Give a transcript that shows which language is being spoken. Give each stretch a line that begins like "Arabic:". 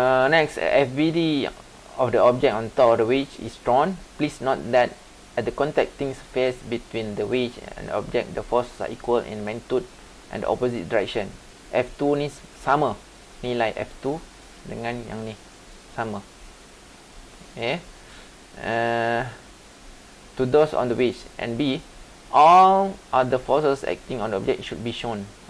English: Next, FBD of the object on top of the wedge is drawn. Please note that at the contacting surface between the wedge and the object, the forces are equal in magnitude and the opposite direction.
Malay: F2 ni sama, nilai F2 dengan yang ni sama.
English: Okay. To those on the wedge, and B, all other forces acting on the object should be shown.